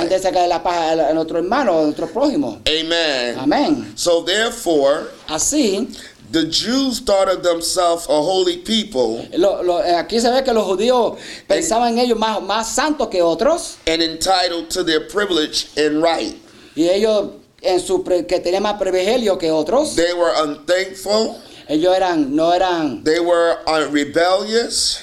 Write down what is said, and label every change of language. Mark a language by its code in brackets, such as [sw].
[es] Antes de sacar la paja de nuestro hermano, de nuestro prójimo. [en] Amen. Amen. So therefore, [es] así. [en] The Jews thought of themselves a holy people. [es] Aquí se ve que los judíos pensaban en ellos más santos que otros. [en] And entitled to their privilege and right. [es] Y ellos en su que tenían más privilegio que otros. [en] They were unthankful. [es] Ellos eran no eran. [en] They were rebellious.